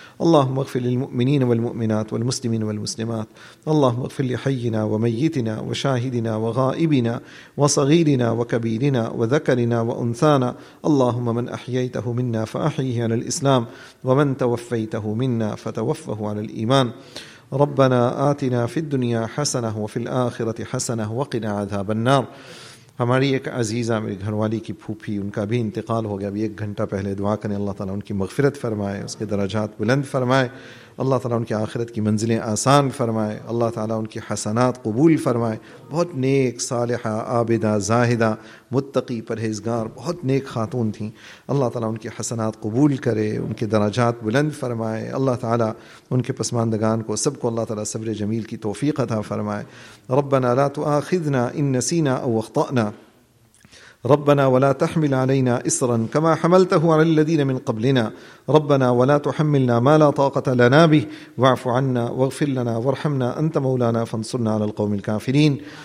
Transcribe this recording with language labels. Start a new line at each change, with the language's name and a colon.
Arabic: اللهم اغفر للمؤمنين والمؤمنات والمسلمين والمسلمات اللهم اغفر لحينا وميتنا وشاهدنا وغائبنا وصغيرنا وكبيرنا وذكرنا وأنثانا اللهم من أحييته منا فأحيه على الإسلام ومن توفيته منا فتوفه على الإيمان ربنا آتنا في الدنيا حسنة وفي الآخرة حسنة وقنا عذاب النار.
Urdu: ہماری ایک عزیزہ میری گھر والی کی پھوپھی, ان کا بھی انتقال ہو گیا ابھی ایک گھنٹہ پہلے, دعا کریں اللہ تعالیٰ ان کی مغفرت فرمائے, اس کے درجات بلند فرمائے, اللہ تعالیٰ ان کی آخرت کی منزلیں آسان فرمائے, اللہ تعالیٰ ان کی حسنات قبول فرمائے. بہت نیک, صالحہ, عابدہ, زاہدہ, متقی, پرہیزگار, بہت نیک خاتون تھیں. اللہ تعالیٰ ان کی حسنات قبول کرے, ان کے درجات بلند فرمائے. اللہ تعالیٰ ان کے پسماندگان کو سب کو اللہ تعالیٰ صبر جمیل کی توفیق عطا فرمائے.
Arabic: ربنا لا تؤاخذنا ان نسینا او اخطأنا, ربنا ولا تحمل علينا إصرا كما حملته على الذين من قبلنا, ربنا ولا تحملنا ما لا طاقة لنا به, واعف عنا واغفر لنا وارحمنا, أنت مولانا فانصرنا على القوم الكافرين.